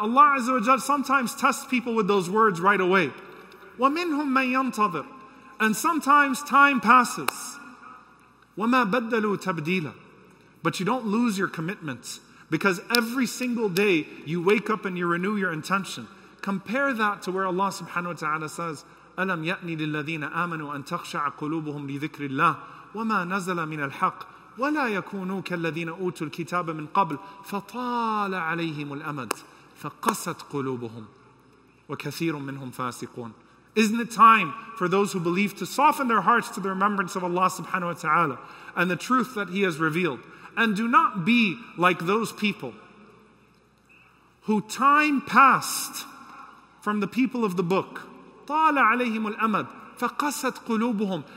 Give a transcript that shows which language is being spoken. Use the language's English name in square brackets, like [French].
[English] Allah Azza wa Jalla sometimes tests people with those words right away. [Arabic] وَمِنْهُمْ مَنْ يَنْتَظِرْ. [English] And sometimes time passes. [Arabic] وَمَا بَدَّلُوا تَبْدِيلًا. [English] But you don't lose your commitments, because every single day you wake up and you renew your intention. Compare that to where Allah subhanahu wa ta'ala says, [Arabic] أَلَمْ يَأْنِ لِلَّذِينَ آمَنُوا أَن تَخْشَعَ قُلُوبُهُمْ لِذِكْرِ اللَّهِ وَمَا نَزَلَ مِنَ الْحَقِّ وَلَا يَكُونُوا كَالَّذِينَ أُوتُوا الْكِتَابَ مِنْ قَبْلِ فَطَالَ عَلَيْهِمُ الْأَمَدْ فَقَسَتْ قُلُوبُهُمْ وَكَثِيرٌ مِّنْهُمْ فَاسِقُونَ. [English] Isn't it time for those who believe to soften their hearts to the remembrance of Allah subhanahu wa ta'ala and the truth that He has revealed? And do not be like those people who time passed from the people of the book. [Arabic] طَالَ عَلَيْهِمُ الْأَمَدْ فَقَسَتْ قُلُوبُهُمْ.